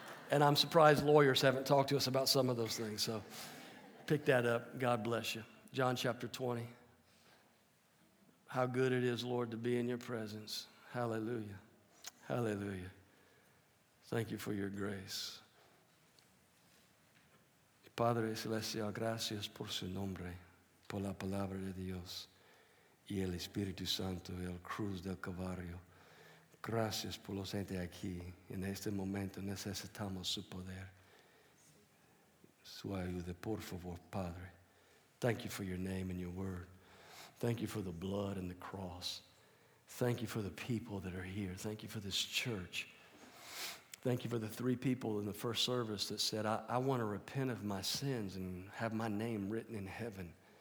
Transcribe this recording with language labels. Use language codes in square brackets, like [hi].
[en] And I'm surprised lawyers haven't talked to us about some of those things. So pick that up. God bless you. John chapter 20. How good it is, Lord, to be in your presence. Hallelujah. Hallelujah. Thank you for your grace. [es] Padre Celestial, gracias por su nombre, por la palabra de Dios. Y el Espíritu Santo y el Cruz del Calvario. Gracias por los gente aquí. En este momento necesitamos su poder. Su ayuda, por favor, Padre. [en] Thank you for your name and your word. Thank you for the blood and the cross. Thank you for the people that are here. Thank you for this church. Thank you for the three people in the first service that said, I want to repent of my sins and have my name written in heaven.